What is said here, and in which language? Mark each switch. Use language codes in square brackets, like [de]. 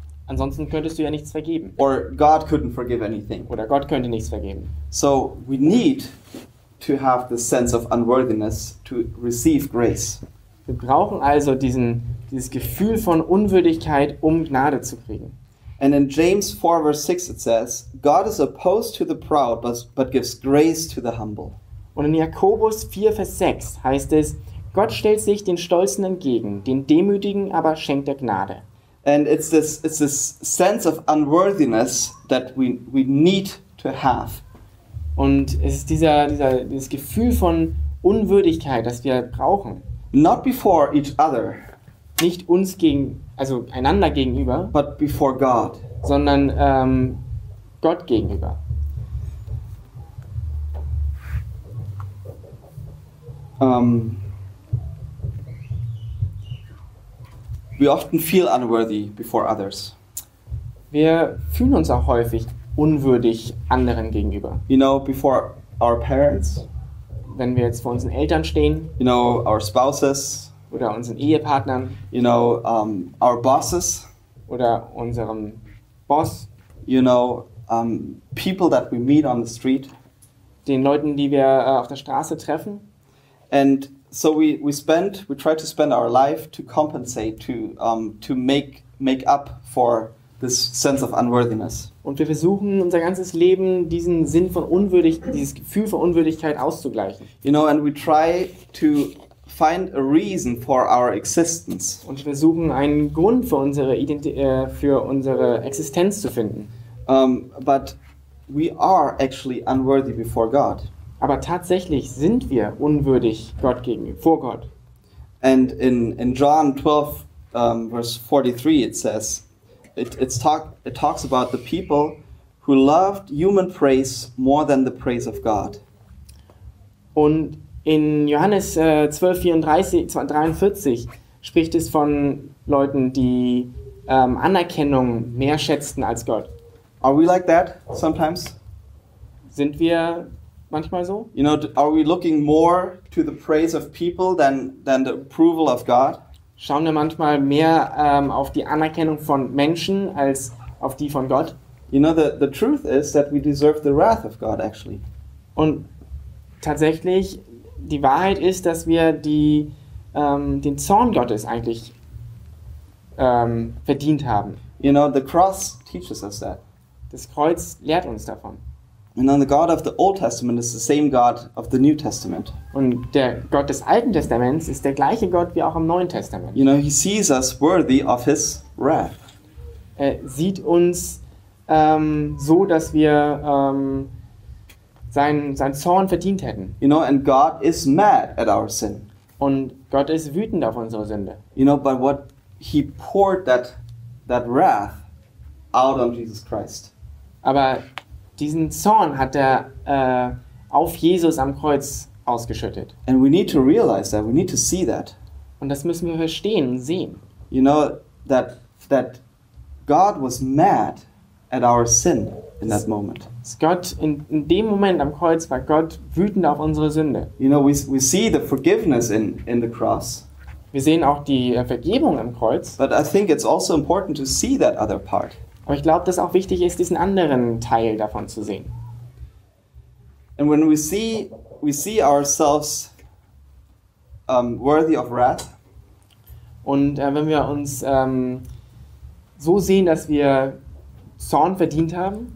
[de] Ansonsten könntest du ja nichts vergeben. [en] Or God couldn't forgive anything. [de] Oder Gott könnte nichts vergeben. [en] So we need to have the sense of unworthiness to receive grace. [de] Wir brauchen also dieses Gefühl von Unwürdigkeit, um Gnade zu kriegen. [en] And in James 4, verse 6, it says, God is opposed to the proud, but gives grace to the humble. [de] Und in Jakobus 4, Vers 6 heißt es, Gott stellt sich den Stolzen entgegen, den Demütigen aber schenkt er Gnade. [en] And it's this sense of unworthiness that we need to have. [de] Und es ist dieses Gefühl von Unwürdigkeit, das wir brauchen. [en] Not before each other. [de] Nicht uns gegen, also einander gegenüber. [en] But before God. [de] Sondern Gott gegenüber. [en] We often feel unworthy before others. [de] Wir fühlen uns auch häufig unwürdig anderen gegenüber. [en] You know, before our parents. [de] Wenn wir jetzt vor unseren Eltern stehen. [en] You know, our spouses. [de] Oder unseren Ehepartnern. [en] You know, our bosses. [de] Oder unserem Boss. [en] You know, people that we meet on the street. [de] Den Leuten, die wir auf der Straße treffen. [en] And so we try to spend our life to compensate, to make up for this sense of unworthiness. [de] Und wir versuchen unser ganzes Leben diesen Sinn von dieses Gefühl von Unwürdigkeit auszugleichen. [en] You know, and we try to find a reason for our existence. [de] Und wir suchen einen Grund für unsere Existenz zu finden. [en] But we are actually unworthy before God. [de] Aber tatsächlich sind wir unwürdig Gott vor Gott. [en] And in John 12 verse 43 it says it talks about the people who loved human praise more than the praise of God. [de] Und in Johannes 12:43 spricht es von Leuten, die Anerkennung mehr schätzten als Gott. [en] Are we like that sometimes? [de] Sind wir manchmal so? [en] You know, are we looking more to the praise of people than the approval of God? [de] Schauen wir manchmal mehr auf die Anerkennung von Menschen als auf die von Gott? [en] You know, the truth is that we deserve the wrath of God, actually. [de] Und tatsächlich, die Wahrheit ist, dass wir den Zorn Gottes eigentlich verdient haben. [en] You know, the cross teaches us that. [de] Das Kreuz lehrt uns davon. [en] And then the God of the Old Testament is the same God of the New Testament. [de] Und der Gott des Alten Testaments ist der gleiche Gott wie auch im Neuen Testament. [en] You know, he sees us worthy of his wrath. [de] Er sieht uns so, dass wir seinen Zorn verdient hätten. [en] You know, and God is mad at our sin. [de] Und Gott ist wütend auf unsere Sünde. [en] You know, but what he poured that wrath out on Jesus Christ. [de] Aber diesen Zorn hat er auf Jesus am Kreuz ausgeschüttet. [en] And we need to realize that. We need to see that. [de] Und das müssen wir verstehen und sehen. [en] You know, that God was mad at our sin in that moment. [de] Gott in dem Moment am Kreuz war Gott wütend auf unsere Sünde. [en] You know, we see the forgiveness in the cross. [de] Wir sehen auch die Vergebung am Kreuz. [en] But I think it's also important to see that other part. [de] Aber ich glaube, dass auch wichtig ist, diesen anderen Teil davon zu sehen. [en] And when we see ourselves worthy of wrath. [de] Und wenn wir uns so sehen, dass wir Zorn verdient haben,